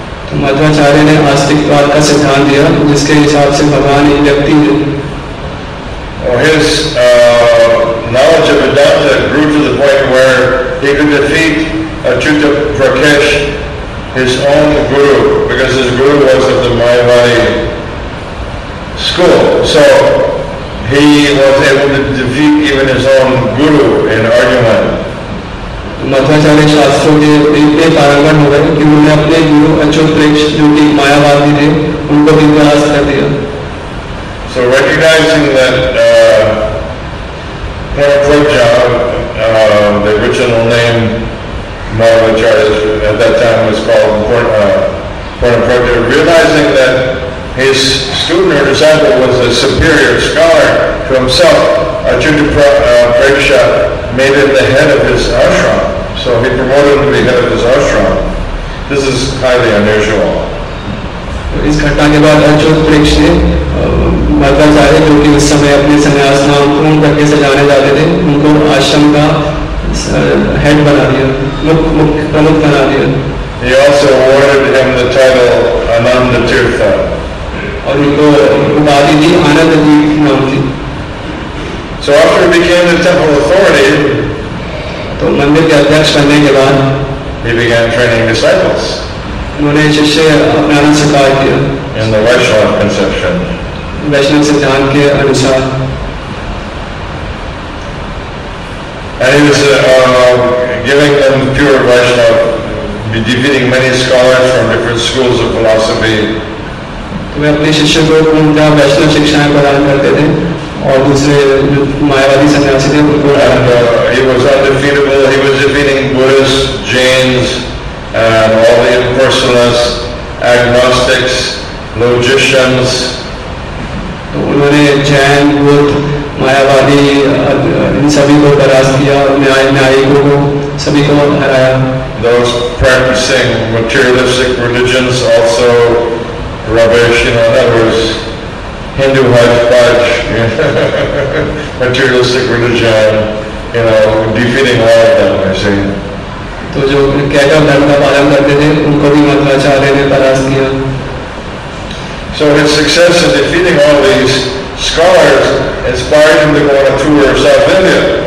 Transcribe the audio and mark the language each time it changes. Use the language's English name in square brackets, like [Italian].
[Hindi] तो मध्वाचार्य ने आस्तिकवाद का सिद्धांत दिया जिसके हिसाब से भगवान एक व्यक्ति है. [English] Or his knowledge of Vedanta grew to the point where he could defeat Achyuta Prakash, his own guru, because his guru was of the Mayavadi school. So he was able to defeat even his own guru in argument. [Hindi] Madhvacharya शास्त्रों के इतने पारंगत हो गए कि उन्होंने अपने गुरु अच्युत प्रेक्ष जो कि मायावादी थे उनको भी परास्त कर दिया. [English] So recognizing that Parapraja, the original name Madhvacharya at that time was called Parapraja, realizing that his student or disciple was a superior scholar to himself, Achyuta Preksha made him the head of his ashram. So he promoted him to be head of his ashram. This is highly unusual. [Hindi] इस घटना के बाद अच्युत प्रेक्ष ने मध्वाचार्य जो कि उस समय अपने संन्यास नाम पूर्ण करके से जाने जाते थे उनको आश्रम का हेड बना दिया, मुख्य प्रमुख बना दिया. [English] He also awarded him the title Ananda Tirtha. [Hindi] और उनको उपाधि दी आनंद तीर्थ नाम की. [English] So after he became the temple authority, [Hindi] तो मंदिर के अध्यक्ष बनने के बाद [English] he began training disciples. [Hindi] उन्होंने शिष्य अपनाना स्वीकार किया. [English] In the Vaishnava conception. [Hindi] वैष्णव सिद्धांत के अनुसार. [English] And he was giving them pure Vaishnava, defeating many scholars from different schools of philosophy. [Hindi] तो वे अपने शिष्य को उनका वैष्णव शिक्षाएं प्रदान करते थे और दूसरे जो मायावादी सन्यासी थे उनको. [English] And he was undefeatable. He was defeating Buddhists, Jains, and all the impersonalists, agnostics, logicians. [Hindi] उन्होंने जैन बुद्ध मायावादी इन सभी को परास्त किया, न्याय न्यायिकों को सभी को हराया. [English] Those practicing materialistic religions also rubbish, you know, that was Hindu hodgepodge, materialistic religion, you know, defeating all of them, I see. [Hindi] तो जो कैटा धर्म का पालन करते थे उनको भी मध्वाचार्य ने परास्त किया. [English] So his success in defeating all these scholars inspired him to go on a tour of South India.